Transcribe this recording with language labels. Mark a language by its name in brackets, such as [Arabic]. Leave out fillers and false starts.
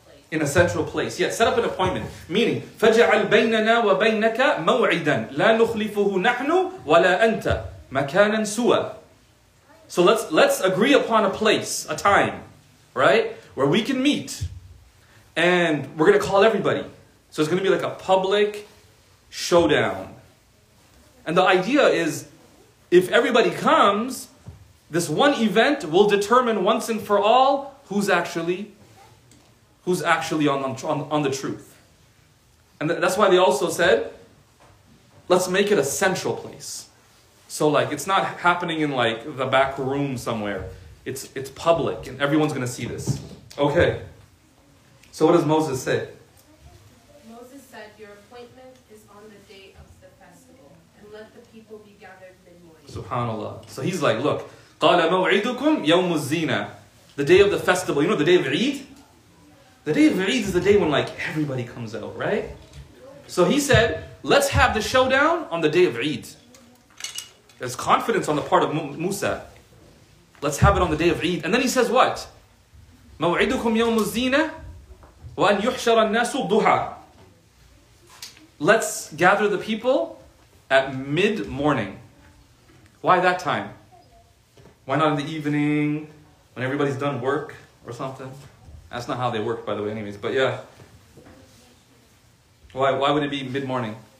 [English] In a central place. Yeah, set up an appointment. Meaning, [Arabic] فَجَعَلْ بَيْنَنَا وَبَيْنَكَ مَوْعِدًا لَا نُخْلِفُهُ نَحْنُ وَلَا أَنْتَ مَكَانًا سُوَى [English] So let's agree upon a place, a time, right? Where we can meet. And we're going to call everybody. So it's going to be like a public showdown. And the idea is, if everybody comes, this one event will determine once and for all who's actually on the truth. And that's why they also said, let's make it a central place. So like, it's not happening in like the back room somewhere. It's public and everyone's going to see this. Okay. So what does Moses say? Moses said, your appointment is on the day of the festival, and let the people be gathered mid-morning. SubhanAllah. So he's like, look, [Arabic] قَالَ مَوْعِدُكُمْ يَوْمُ الزِّينَةِ. [English] The day of the festival. You know the day of Eid? The day of Eid is the day when like everybody comes out, right? So he said, let's have the showdown on the day of Eid. There's confidence on the part of Musa. Let's have it on the day of Eid. And then he says what? [Arabic] مَوْعِدُكُمْ يَوْمُ الزِّينَةِ وَأَنْ يُحْشَرَ النَّاسُ duha. [English] Let's gather the people at mid-morning. Why that time? Why not in the evening when everybody's done work or something? That's not how they work, by the way, anyways. But yeah. Why would it be mid-morning?